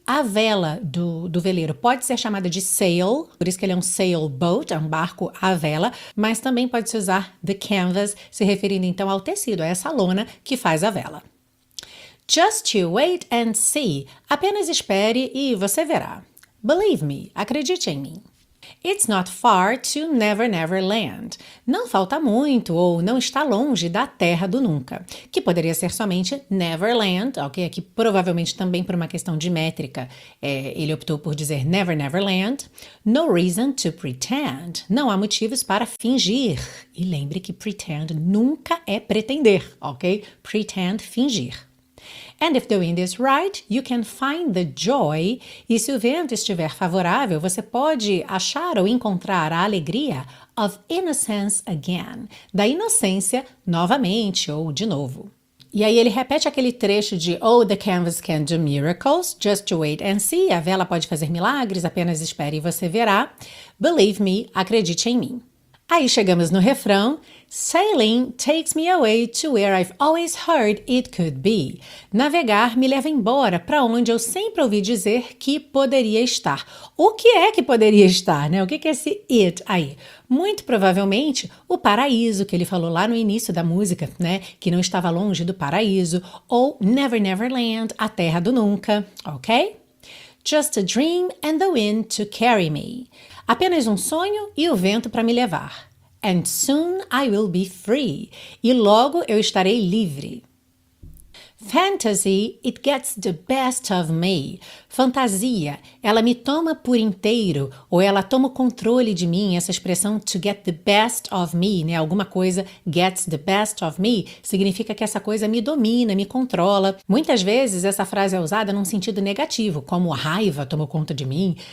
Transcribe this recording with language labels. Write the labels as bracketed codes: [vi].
[pt] A vela do veleiro pode ser chamada de sail, por isso que ele é um sailboat, é um barco à vela, mas também pode-se usar the canvas, se referindo então ao tecido, a essa lona que faz a vela. [en] Just you wait and see. [pt] Apenas espere e você verá. [en] Believe me, [pt] acredite em mim. [en] It's not far to Never Never Land. [pt] Não falta muito ou não está longe da Terra do Nunca, que poderia ser somente Never Land, ok? Aqui provavelmente também por uma questão de métrica, ele optou por dizer Never Never Land. [en] No reason to pretend. [pt] Não há motivos para fingir. E lembre que pretend nunca é pretender, ok? Pretend, fingir. [en] And if the wind is right, you can find the joy. [pt] E se o vento estiver favorável, você pode achar ou encontrar a alegria [en] of innocence again, [pt] da inocência novamente ou de novo. E aí ele repete aquele trecho de [en] Oh, the canvas can do miracles, just to wait and see. [pt] A vela pode fazer milagres, apenas espere e você verá. [en] Believe me, [pt] acredite em mim. Aí chegamos no refrão. [en] Sailing takes me away to where I've always heard it could be. [pt] Navegar me leva embora para onde eu sempre ouvi dizer que poderia estar. O que é que poderia estar, né? O que é esse it aí? Muito provavelmente o paraíso que ele falou lá no início da música, né? Que não estava longe do paraíso. Ou Never Never Land, a terra do nunca, ok? [en] Just a dream and the wind to carry me. [pt] Apenas um sonho e o vento para me levar. [en] And soon I will be free. [pt] E logo eu estarei livre. [en] Fantasy, it gets the best of me. [pt] Fantasia, ela me toma por inteiro, ou ela toma o controle de mim. Essa expressão [en] to get the best of me, [pt] né? Alguma coisa [en] gets the best of me, [pt] significa que essa coisa me domina, me controla. Muitas vezes essa frase é usada num sentido negativo, como raiva tomou conta de mim.